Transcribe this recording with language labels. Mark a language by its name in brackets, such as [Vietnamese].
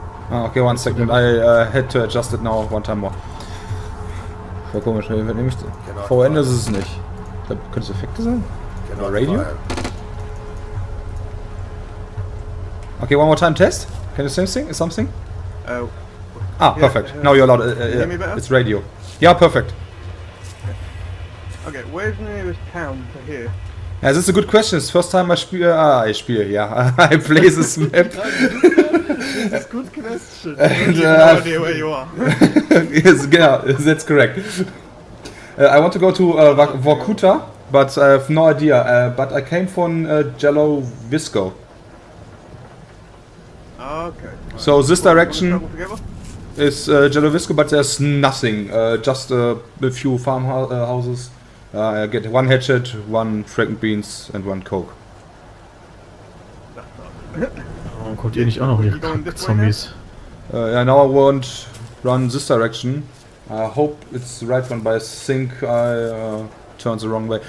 [English] Ah, okay, one second, I had to adjust it now, one time more. [German] Voll komisch, wenn nämlich VON ist es nicht. Da könnte es Effekte sein? Oder Radio? [English] Okay, one more time test. Can you sense something? Perfect. Yeah. Now you're allowed. Can you hear me better? It's radio. Yeah, perfect. Okay, where's the nearest town to here? Yeah, this is a good question. It's the first time I [German] spiele. [English] I play this map. This is a good question. You have no idea where you are. Yes, [German] genau, [English] that's correct. I want to go to Wokuta, but I have no idea. But I came from Jello Visco. Okay. So right. This direction is Jello Visco, but there's nothing. Just a few farm houses. I get one hatchet, one frickin' beans, and one coke. [German] Warum kommt ihr nicht auch noch hier, Kack-Zombies? [English] Yeah, now I won't run this direction. I hope it's the right one, but I think I turned the wrong way.